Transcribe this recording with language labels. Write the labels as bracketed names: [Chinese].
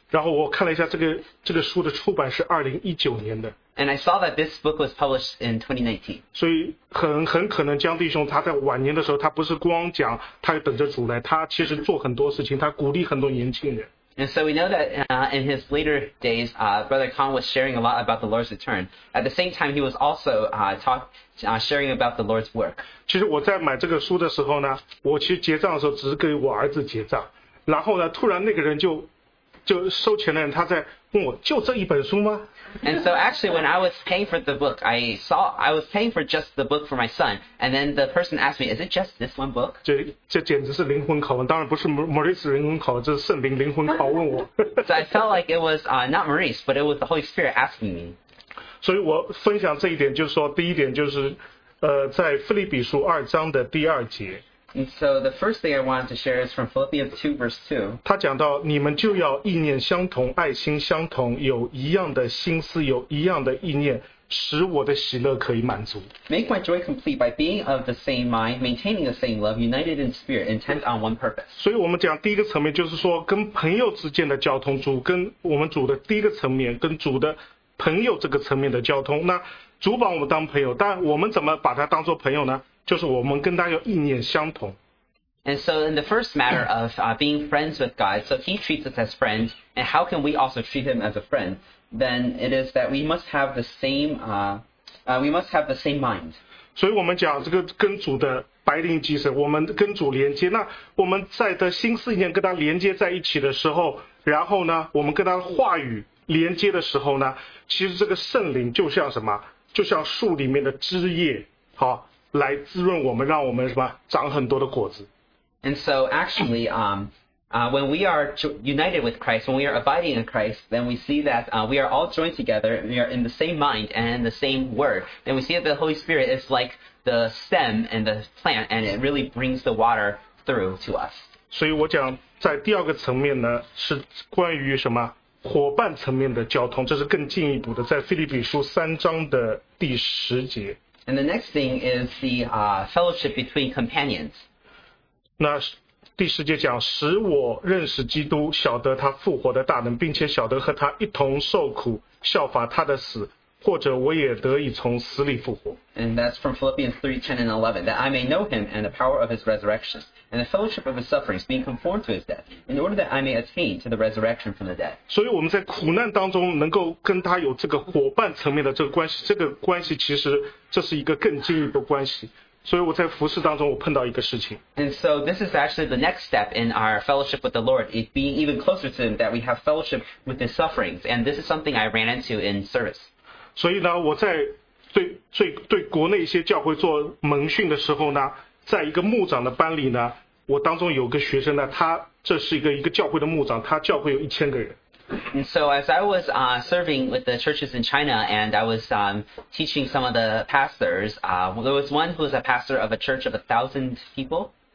[Chinese] 然后我看了一下这个书的出版是2019年的。 [English] And I saw that this book was published in 2019. [Chinese] 所以很可能江弟兄他在晚年的时候他不是光讲他等着主来他其实做很多事情他鼓励很多年轻人。 [English] And so we know that in his later days, Brother Kong was sharing a lot about the Lord's return. At the same time, he was also sharing about the Lord's work. [Chinese] 其实我在买这个书的时候呢，我其实结账的时候只是给我儿子结账。然后呢，突然那个人就收钱的人，他在问我，就这一本书吗？ [English] And so actually, when I was paying for the book, I was paying for just the book for my son. And then the person asked me, is it just this one book? [Chinese] 这简直是灵魂拷问，当然不是 Maurice 灵魂拷问，这是圣灵灵魂拷问我。 [English] So I felt like it was not Maurice, but it was the Holy Spirit asking me. [Chinese] 所以我分享这一点，就是说，第一点就是，在腓立比书二章的第二节。 [English] And so the first thing I wanted to share is from Philippians 2 verse 2. [Chinese] 他讲到你们就要意念相同爱心相同有一样的心思有一样的意念使我的喜乐可以满足。 [English] Make my joy complete by being of the same mind, maintaining the same love, united in spirit, intent on one purpose. [Chinese] 所以我们讲第一个层面就是说跟朋友之间的交通主跟我们主的第一个层面跟主的朋友这个层面的交通那主把我们当朋友但我们怎么把他当做朋友呢就是我们跟他有意念相同。 [English] And so in the first matter of being friends with God, so he treats us as friends, and how can we also treat him as a friend? Then it is that we must have the same, we must have the same mind. [Chinese] 所以我们讲这个跟主的白灵精神，我们跟主连接。那我们在的心思意念跟他连接在一起的时候，然后呢，我们跟他话语连接的时候呢，其实这个圣灵就像什么？就像树里面的枝叶，好。来滋润我们，让我们什么长很多的果子。 [English] And so actually, when we are united with Christ, when we are abiding in Christ, then we see that we are all joined together, and we are in the same mind and the same word. Then we see that the Holy Spirit is like the stem and the plant, and it really brings the water through to us. [Chinese] 所以我讲在第二个层面呢，是关于什么伙伴层面的交通，这是更进一步的，在腓立比书三章的第十节。 [English] And the next thing is the fellowship between companions. [Chinese] 那第十节讲，使我认识基督，晓得他复活的大能，并且晓得和他一同受苦，效法他的死，或者我也得以从死里复活。 [English] And that's from Philippians 3:10-11, that I may know him and the power of his resurrection, and the fellowship of his sufferings, being conformed to his death, in order that I may attain to the resurrection from the dead. [Chinese] 所以我们在苦难当中能够跟他有这个伙伴层面的这个关系，这个关系其实这是一个更进一步关系。 [English] And so this is actually the next step in our fellowship with the Lord, being even closer to Him, that we have fellowship with His sufferings. And this is something I ran into in service. [Chinese] 所以呢，我在对国内一些教会做门训的时候呢，在一个牧长的班里呢，我当中有个学生呢，他这是一个教会的牧长，他教会有1000个人。 [English] And so as I was serving with the churches in China and I was teaching some of the pastors, there was one who was a pastor of a church of 1,000 people.